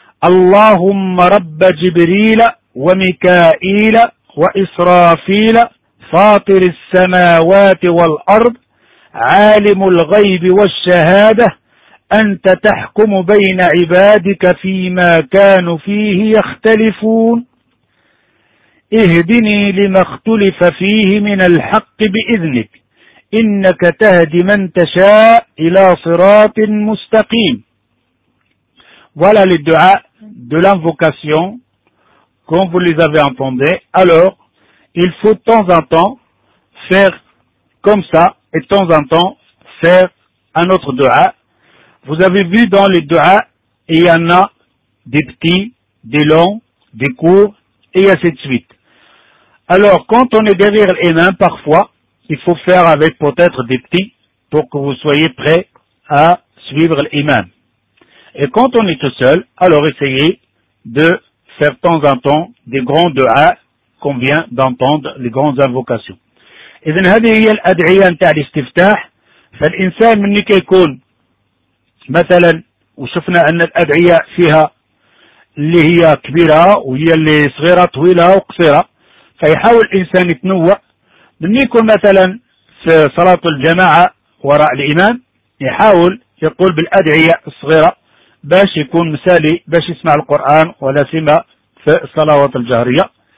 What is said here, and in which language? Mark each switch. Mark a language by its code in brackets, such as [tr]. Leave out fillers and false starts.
[ar] اللهم رب جبريل وميكائيل وإسرافيل فاطر السماوات والأرض عالم الغيب والشهادة أنت تحكم بين عبادك فيما كانوا فيه يختلفون. اهدني لما اختلف فيه من الحق بإذنك إنك تهدي من تشاء إلى صراط مستقيم. [fr] Voilà les dua de l'invocation comme vous les avez entendu. Alors, il faut de temps en temps faire comme ça et de temps en temps faire un autre dua. Vous avez vu dans les dua, il y en a des petits, des longs, des courts et ainsi de suite. Alors, quand on est derrière l'imam, parfois, il faut faire avec peut-être des petits pour que vous soyez prêts à suivre l'imam. Et quand on est tout seul, alors essayez de faire de temps en temps des grands dua qu'on vient d'entendre, les grandes invocations. [ar] إذن هذه هي الأدعية نتاع الاستفتاح. فالإنسان مني كيكون مثلا وشفنا أن الأدعية فيها اللي هي كبيرة وهي اللي صغيرة طويلة وقصيرة فيحاول الإنسان يتنوع مني يكون مثلا في صلاة الجماعة وراء الإمام يحاول يقول بالأدعية الصغيرة باش يكون مثالي باش يسمع القرآن ولا سيما في الصلوات الجهرية.